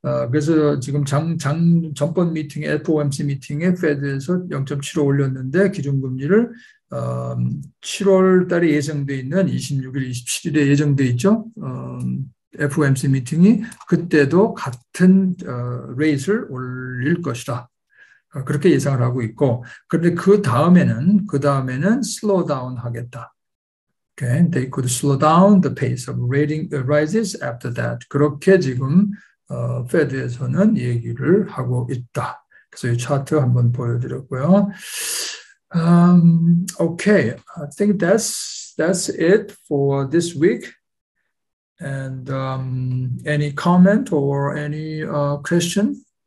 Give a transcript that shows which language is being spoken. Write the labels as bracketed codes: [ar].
[ko] 그래서 지금 전번 미팅에 FOMC 미팅에 페드에서 0.75 올렸는데 기준금리를 7월 달에 예정돼 있는 26일, 27일에 예정돼 있죠. FOMC 미팅이 그때도 같은 레이트를 올릴 것이다. 그렇게 예상을 하고 있고, 그런데 그 다음에는 슬로우다운 하겠다. [en] Okay, they could slow down the pace of rating rises after that. [ko] 그렇게 지금 페드에서는 얘기를 하고 있다. 그래서 이 차트 한번 보여드렸고요. [en] Okay, I think that's it for this week. And any comment or any question?